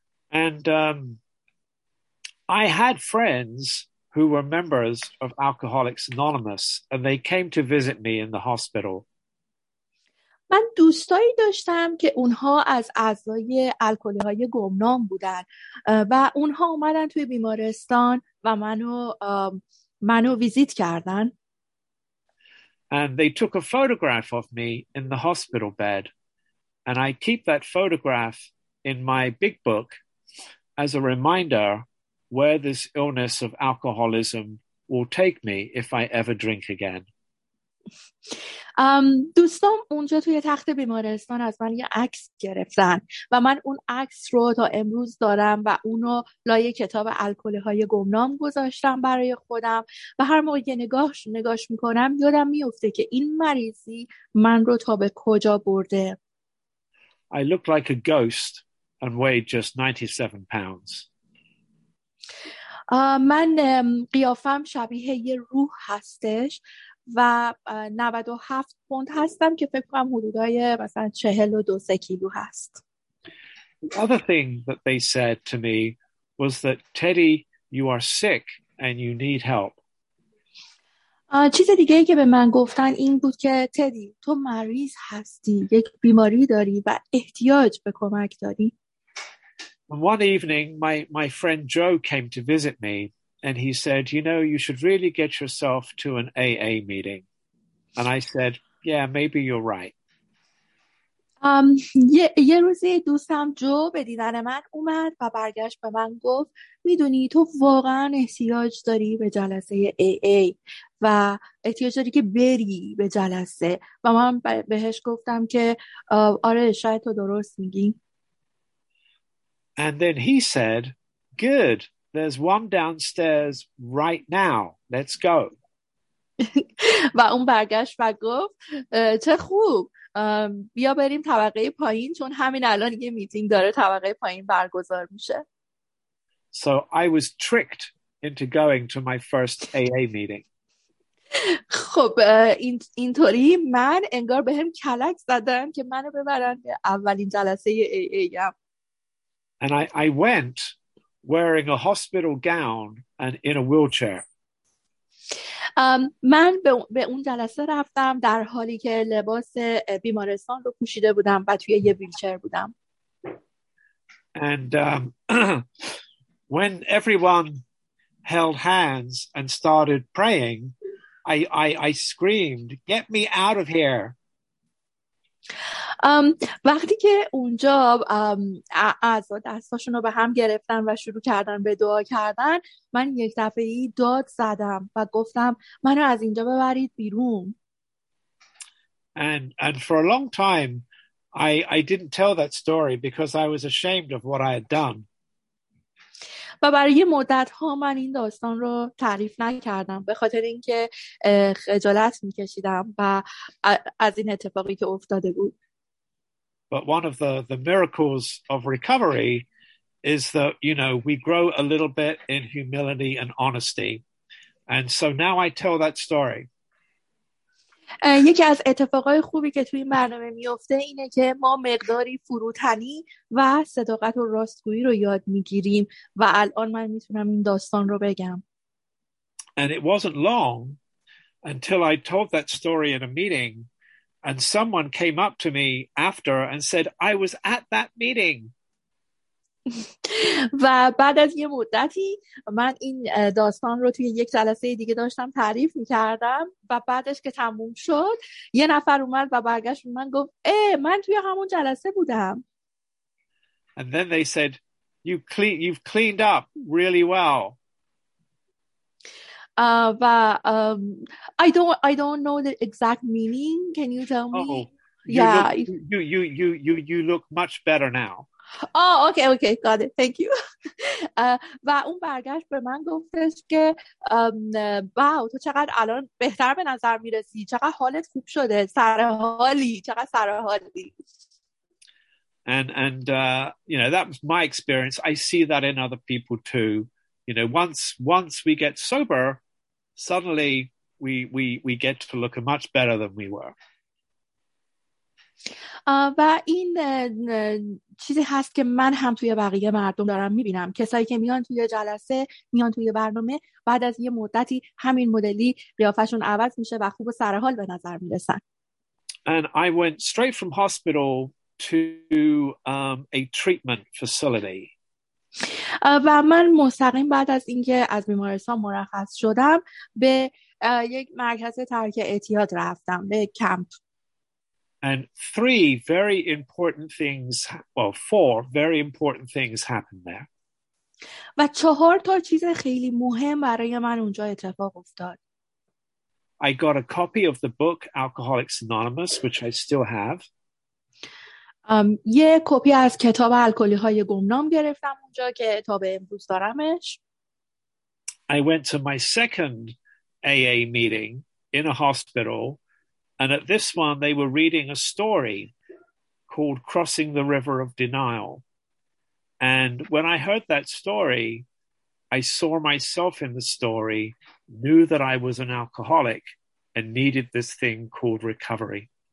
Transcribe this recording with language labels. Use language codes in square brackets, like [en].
[en] And I had friends who were members of Alcoholics Anonymous, and they came to visit me in the hospital. [fa] من دوستایی داشتم که اونها از اعضای الکلی‌های گمنام بودن و اونها اومدن توی بیمارستان و منو ویزیت کردن. [en] And they took a photograph of me in the hospital bed, and I keep that photograph in my big book as a reminder where this illness of alcoholism will take me if I ever drink again. [fa] دوستان اونجا توی تخت بیمارستان از من یه عکس گرفتن و من اون عکس رو تا امروز دارم و اونو لایه کتاب الکلی‌های گمنام گذاشتم برای خودم و هر موقع نگاش میکنم یادم میفته که این مریضی من رو تا به کجا برده. [en] I looked like a ghost and weighed just 97 pounds. [fa] من قیافم شبیه یه روح هستش و 97 پوند هستم که فکر کنم حدودای مثلا 42 کیلو هست. [en] Other thing that they said to me was that Teddy, you are sick and you need help. [fa] چیز دیگه ای که به من گفتن این بود که تدی تو مریض هستی، یک بیماری داری و احتیاج به کمک داری. [en] And one evening my friend Joe came to visit me. And he said, you know, you should really get yourself to an AA meeting. And I said, yeah, maybe you're right. [fa] یه روزی دوستم جو به دیدن من اومد و برگشت به من گفت میدونی تو واقعا احتیاج داری به جلسه AA و احتیاج داری که بری به جلسه و من بهش گفتم که آره شاید تو درست میگی. [en] And then he said, good. There's one downstairs right now. Let's go. [fa] و اون برگشت و گفت چه خوب. بیا بریم طبقه پایین چون همین الان یه میتینگ داره طبقه پایین برگزار میشه. [en] So I was tricked into going to my first AA meeting. [fa] خب اینطوری من انگار بهم کلک زدن که منو ببرن به اولین جلسه AA ام. [en] And I went wearing a hospital gown and in a wheelchair. [fa] من به اون جلسه رفتم در حالی که لباس بیمارستان رو پوشیده بودم و توی یه ویلچر بودم. [en] And when everyone held hands and started praying, I screamed, "Get me out of here!" [fa] وقتی که اونجا اعضا دستاشون رو به هم گرفتن و شروع کردن به دعا کردن من یک دفعه ای داد زدم و گفتم منو از اینجا ببرید بیرون. [en] And for a long time I didn't tell that story because I was ashamed of what I had done. [fa] و برای مدت ها من این داستان رو تعریف نکردم به خاطر اینکه خجالت میکشیدم و از این اتفاقی که افتاده بود. [en] But one of the miracles of recovery is that, you know, we grow a little bit in humility and honesty. And so now I tell that story. [fa] یکی از اتفاقای خوبی که توی این برنامه میفته اینه که ما مقداری فروتنی و صداقت و راستگویی رو یاد میگیریم و الان من میتونم این داستان رو بگم. [en] And it wasn't long until I told that story in a meeting and someone came up to me after and said, I was at that meeting. [fa] و بعد از یه مدتی من این داستان رو توی یک جلسه دیگه داشتم تعریف می‌کردم و بعدش که تموم شد یه نفر اومد و برگشت من گفت ای من توی همون جلسه بودم. [en] And then they said you've cleaned up really well. [fa] و [en] I don't know the exact meaning. Can you tell me? You look much better now. Oh, okay, got it. Thank you. [fa] و اون برگشت به من گفتش که واو، تو چقدر الان بهتر به نظر میرسی، چقدر حالت خوب شده، سرحالی، چقدر سرحالی. [en] And you know, that was my experience. I see that in other people too. You know, once we get sober, suddenly we get to look much better than we were. [fa] و این چیزی هست که من هم توی بقیه مردم دارم میبینم، کسایی که میان توی جلسه، میان توی برنامه، بعد از یه مدتی همین مدلی قیافشون عوض میشه و خوب و سرحال به نظر میرسن. [en] And I went straight from hospital to a treatment facility. [fa] و من مستقیم بعد از اینکه از بیمارستان مرخص شدم به یک مرکز ترک اعتیاد رفتم، به کمپ. [en] And three very important things, well, four very important things happened there. [fa] و چهار تا چیز خیلی مهم برای من اونجا اتفاق افتاد. [en] I got a copy of the book Alcoholics Anonymous, which I still have. [fa] یه کپی از کتاب الکلی‌های گمنام گرفتم اونجا که تا به امروز دارمش. [en] I went to my second AA meeting in a hospital. And at this one, they were reading a story called Crossing the River of Denial. And when I heard that story, I saw myself in the story, knew that I was an alcoholic and needed this thing called recovery.